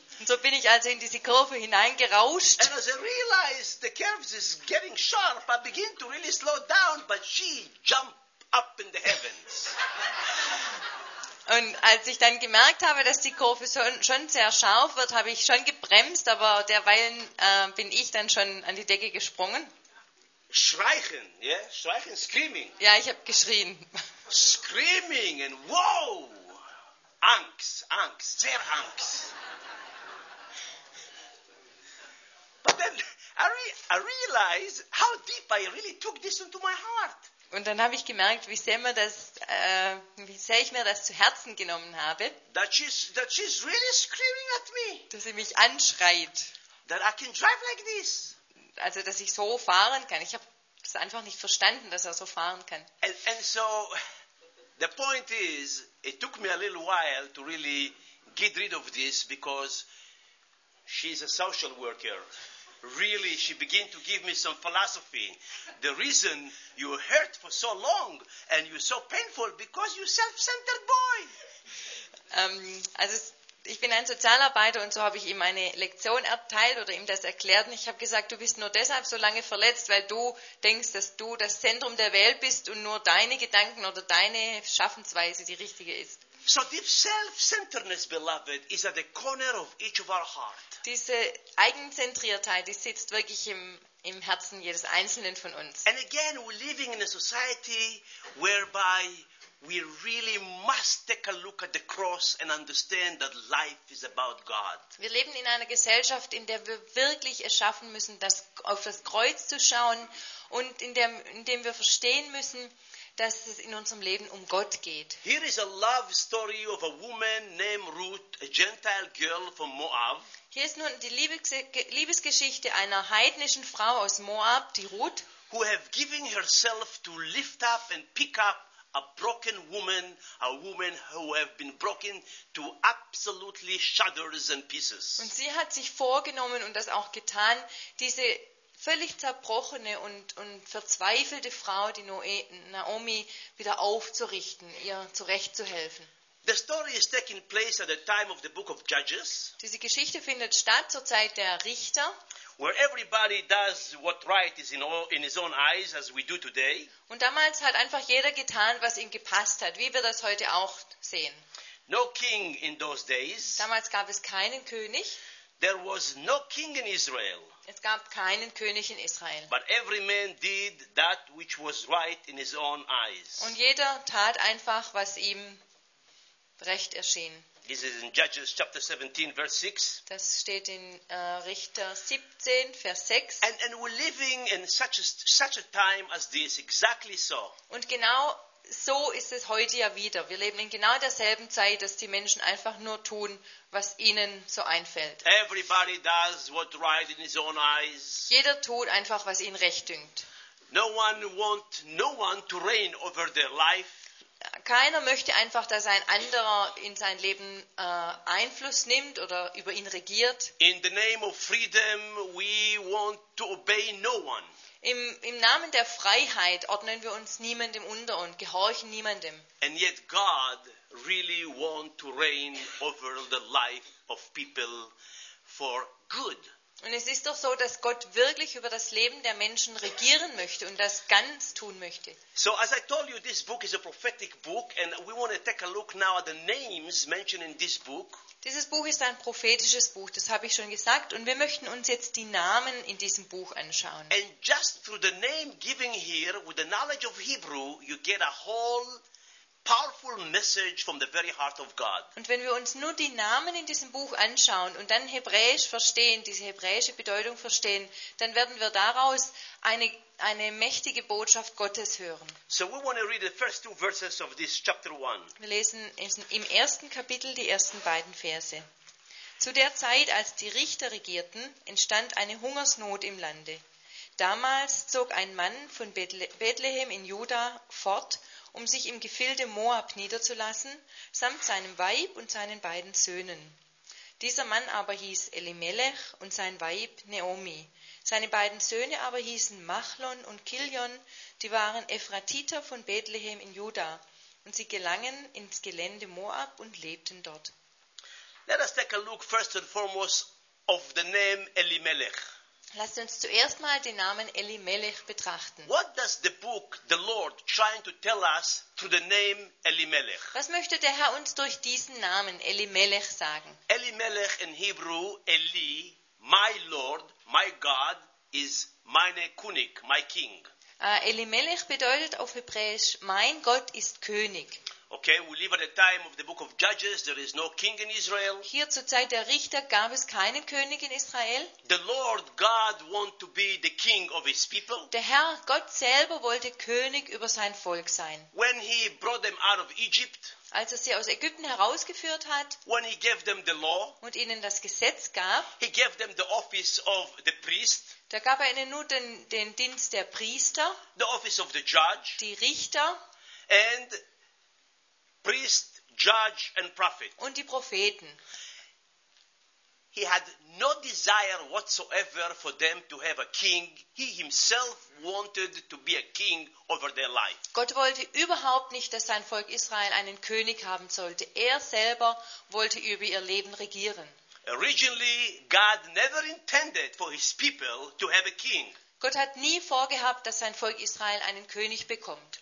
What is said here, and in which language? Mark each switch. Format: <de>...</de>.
<de>Und so bin ich also in diese Kurve hineingerauscht.</de> <en>And as I realize the curves is getting sharp, I begin to really slow down, but she jumped up in the heavens.</en> <de>Und als ich dann gemerkt habe, dass die Kurve schon sehr scharf wird, habe ich schon gebremst, aber derweilen bin ich dann schon an die Decke gesprungen. Schreien, ja?</de> <en>Yeah?</en> <de>Schreien,</de> <en>screaming.</en> <de>Ja, ich habe geschrien.</de> <en>Screaming and wow!</en> <de>Angst, sehr Angst.</de> <en>But then I realize how deep I really took this into my heart.</en> <de>Und dann habe ich gemerkt, wie sehr ich mir das zu Herzen genommen habe.</de> <en>That she's really screaming at me.</en> <de>Dass sie mich anschreit.</de> <en>That I can drive like this.</en> <de>Also dass ich so fahren kann. Ich habe es einfach nicht verstanden, dass er so fahren kann.</de> <en>And so the point is, it took me a little while to really get rid of this because she's a social worker. Really, she began to give me some philosophy. The reason you hurt for so long and you're so painful because you're a self-centered boy.</en> <de>Also ich bin ein Sozialarbeiter und so habe ich ihm eine Lektion erteilt oder ihm das erklärt. Und ich habe gesagt, du bist nur deshalb so lange verletzt, weil du denkst, dass du das Zentrum der Welt bist und nur deine Gedanken oder deine Schaffensweise die richtige ist.</de> <en>So this self-centeredness, beloved, is at the corner of each of our heart.</en> <de>Diese Eigenzentriertheit, die sitzt wirklich im Herzen jedes Einzelnen von uns.</de> <en>And again, we're living in a society whereby we really must take a look at the cross and understand that life is about God.</en> <de>Wir leben in einer Gesellschaft, in der wir wirklich erschaffen müssen, das auf das Kreuz zu schauen und in dem wir verstehen müssen, dass es in unserem Leben um Gott geht.</de> <en>Here is a love story of a woman named Ruth, a Gentile girl from Moab.</en> <de>Hier ist nun die Liebesgeschichte einer heidnischen Frau aus Moab, die Ruth,</de> <en>who have given herself to lift up and pick up a broken woman, a woman who have been broken to absolutely shatters and pieces.</en> <de>Und sie hat sich vorgenommen und das auch getan, diese völlig zerbrochene und verzweifelte Frau, die Naomi, wieder aufzurichten, ihr zurechtzuhelfen.</de> <en>The story is taking place at the time of the book of Judges.</en> <de>Diese Geschichte findet statt zur Zeit der Richter.</de> <en>Where everybody does what right is in his own eyes, as we do today.</en> <de>Und damals hat einfach jeder getan, was ihm gepasst hat, wie wir das heute auch sehen.</de> <en>No king in those days.</en> <de>Damals gab es keinen König.</de> <en>There was no king in Israel.</en> <de>Es gab keinen König in Israel.</de> <en>But every man did that which was right in his own eyes.</en> <de>Und jeder tat einfach, was ihm recht erschien.</de> <en>This is in Judges chapter 17, verse 6.</en> <de>Das steht in Richter 17, Vers 6.</de> <en>And we're living in such a time as this, exactly so.</en> <de>Und genau so ist es heute ja wieder. Wir leben in genau derselben Zeit, dass die Menschen einfach nur tun, was ihnen so einfällt.</de> <en>Everybody does what right in his own eyes.</en> <de>Jeder tut einfach, was ihn recht dünkt.</de> <en>No one want no one to reign over their life.</en> <de>Keiner möchte einfach, dass ein anderer in sein Leben Einfluss nimmt oder über ihn regiert.</de> <en>In the name of freedom, we want to obey no one.</en> <de>Im Namen der Freiheit ordnen wir uns niemandem unter und gehorchen niemandem.</de> <en>And yet God really want to reign over the life of people for good.</en> <de>Und es ist doch so, dass Gott wirklich über das Leben der Menschen regieren möchte und das ganz tun möchte.</de> <en>So, as I told you, this book is a prophetic book and we want to take a look now at the names mentioned in this book.</en> <de>Dieses Buch ist ein prophetisches Buch, das habe ich schon gesagt, und wir möchten uns jetzt die Namen in diesem Buch anschauen.</de> <en>And just through the name giving here, with the knowledge of Hebrew, you get a whole powerful message from the very heart of God.</en> <de>Und wenn wir uns nur die Namen in diesem Buch anschauen und dann Hebräisch verstehen, diese hebräische Bedeutung verstehen, dann werden wir daraus eine mächtige Botschaft Gottes hören.</de> <en>So we want to read the first two verses of this chapter one.</en> <de>Wir lesen im ersten Kapitel die ersten beiden Verse. Zu der Zeit, als die Richter regierten, entstand eine Hungersnot im Lande. Damals zog ein Mann von Bethlehem in Juda fort, um sich im Gefilde Moab niederzulassen, samt seinem Weib und seinen beiden Söhnen. Dieser Mann aber hieß Elimelech und sein Weib Naomi. Seine beiden Söhne aber hießen Machlon und Kiljon, die waren Ephratiter von Bethlehem in Juda, und sie gelangen ins Gelände Moab und lebten dort.</de> <en>Let us take a look first and foremost of the name Elimelech.</en> <de>Lasst uns zuerst mal den Namen Elimelech betrachten.</de> <en>What does the book, the Lord, trying to tell us through the name Elimelech?</en> <de>Was möchte der Herr uns durch diesen Namen Elimelech sagen?</de> <en>Elimelech in Hebrew, Eli, my Lord, my God, is</en> <de>meine König,</de> <en>my King.</en> <de>Elimelech bedeutet auf Hebräisch, mein Gott ist König.</de> <en>Okay, we live at the time of the book of Judges. There is no king in Israel.</en> <de>Hier zur Zeit der Richter gab es keinen König in Israel.</de> <en>The Lord God want to be the king of his people.</en> <de>Der Herr Gott selber wollte König über sein Volk sein.</de> <en>When he brought them out of Egypt.</en> <de>Als er sie aus Ägypten herausgeführt hat.</de> <en>When he gave them the law.</en> <de>Und ihnen das Gesetz gab.</de> <en>He gave them the office of the priest.</en> <de>Da gab er ihnen nur den Dienst der Priester.</de> <en>The office of the judge.</en> <de>Die Richter.</de> <en>And priest, judge and prophet.</en> <de>Und die Propheten.</de> <en>He had no desire whatsoever for them to have a king. He himself wanted to be a king over their life.</en> <de>Gott wollte überhaupt nicht, dass sein Volk Israel einen König haben sollte. Er selber wollte über ihr Leben regieren. Originally, God never intended for his people to have a king. Gott hat nie vorgehabt, dass sein Volk Israel einen König bekommt.</de>